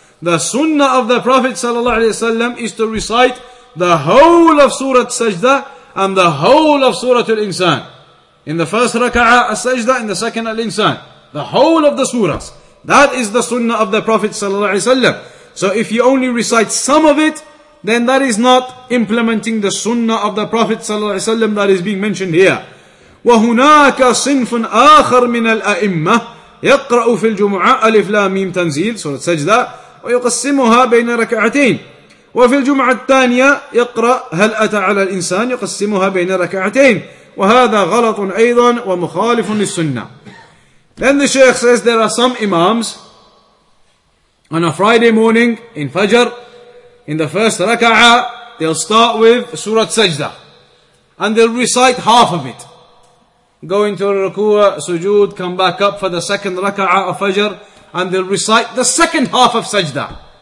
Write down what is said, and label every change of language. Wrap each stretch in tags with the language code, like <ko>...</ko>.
<en>The sunnah of the Prophet ﷺ is to recite the whole of Surah Sajda and the whole of Surah al-insan. In the first rak'ah as-sajda, in the second al-insan. The whole of the surahs. That is the sunnah of the Prophet ﷺ. So if you only recite some of it, then that is not implementing the sunnah of the Prophet ﷺ that is being mentioned here.</en> <ar>وَهُنَاكَ صِنْفٌ آخَرٌ مِنَ الْأَئِمَّةِ يَقْرَأُ فِي الْجُمُعَةِ أَلِفْ لَا مِيمْ تَنْزِيلٌ سورة سجدة ويقسمها بين ركعتين. وفي الجمعة الثانية يقرأ هل أتى على الإنسان يقسمها بين ركعتين. وهذا غلط أيضا ومخالف للسنة.</ar> <en>Then the Shaykh says there are some imams on a Friday morning in Fajr, in the first rak'ah, they'll start with Surah Sajda, and they'll recite half of it. Go into ruku', sujood, come back up for the second rak'ah of Fajr, and they'll recite the second half of Sajda.</en>